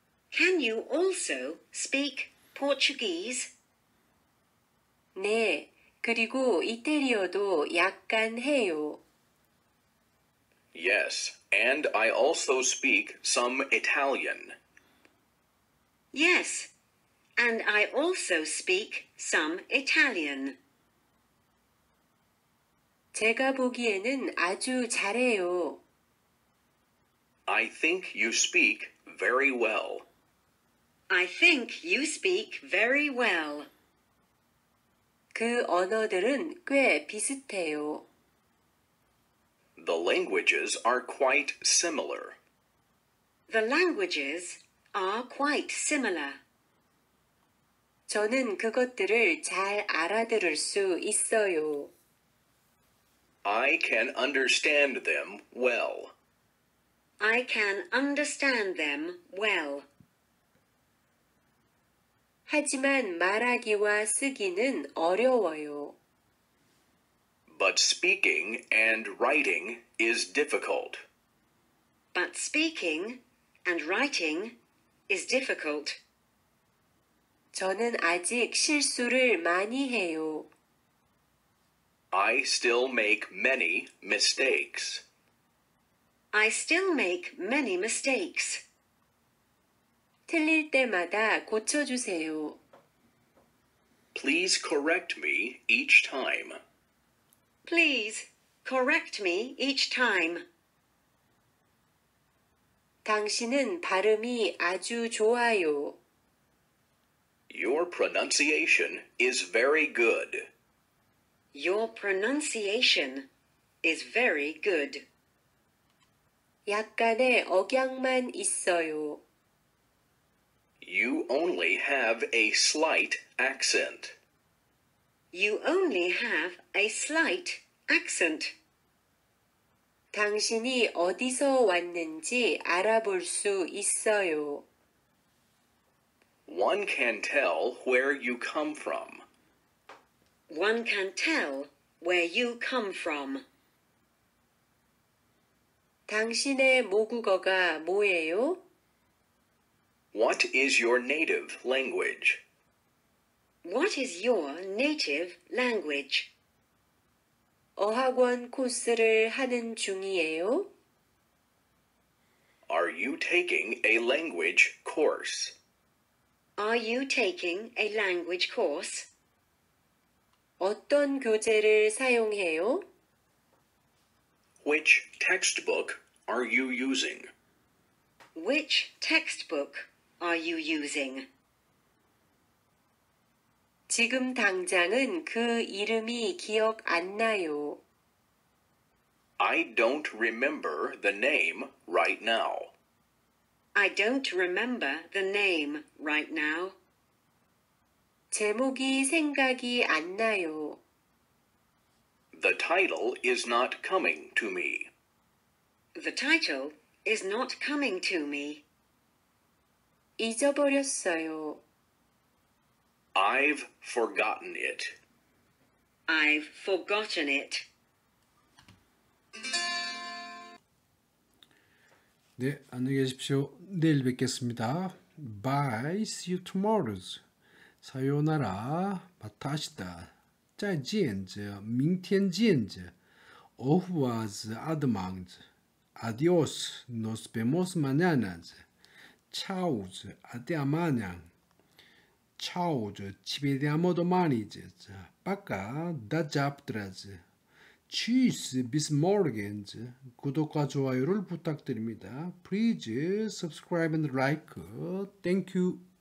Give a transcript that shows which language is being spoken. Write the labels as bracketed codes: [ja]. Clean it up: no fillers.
[en] Can you also speak Portuguese? [ko] 네, 그리고 이태리어도 약간 해요. [en] Yes, and I also speak some Italian. Yes, And I also speak some Italian. [ko] 제가 보기에는 아주 잘해요. [en] I think you speak very well. I think you speak very well. [ko] 그 언어들은 꽤 비슷해요. [en] The languages are quite similar. The languages are quite similar. [ko] 저는 그것들을 잘 알아들을 수 있어요. [en] I can understand them well. I can understand them well. [ko] 하지만 말하기와 쓰기는 어려워요. [en] But speaking and writing is difficult. But speaking and writing is difficult. [ko] 저는 아직 실수를 많이 해요. [en] I still make many mistakes. I still make many mistakes. [ko] 틀릴 때마다 고쳐주세요. [en] Please correct me each time. Please correct me each time. [ko] 당신은 발음이 아주 좋아요. [en] Your pronunciation is very good. Your pronunciation is very good. [ko] 약간의 억양만 있어요. [en] You only have a slight accent. You only have a slight accent. [ko] 당신이 어디서 왔는지 알아볼 수 있어요. [en] One can tell where you come from. One can tell where you come from. [ko] 당신의 모국어가 뭐예요? [en] What is your native language? What is your native language? [ko] 어학원 코스를 하는 중이에요. [en] Are you taking a language course? Are you taking a language course? [ko] 어떤 교재를 사용해요? [en] Which textbook are you using? Which textbook are you using? [ko] 지금 당장은 그 이름이 기억 안 나요. [en] I don't remember the name right now. I don't remember the name right now. [ko] 제목이 생각이 안 나요. [en] The title is not coming to me. The title is not coming to me. [ko] 잊어버렸어요. [en] I've forgotten it. I've forgotten it. [ko] 네, 안녕히 계십시오. 내일 뵙겠습니다. [en] Bye, see you tomorrow. 사요나라, 바타시다. 짜지엔즈, 밍티엔지엔즈. 오후와즈, 아드망즈. 아디오스, 노스베모스 마냐나즈. 차우즈, 아디아마냥. 차우즈, 치베디아모도 마니즈. 바까, 다잡드라즈. [ko] 치즈 비스모르겐즈 구독과 좋아요를 부탁드립니다. [en] Please subscribe and like. Thank you.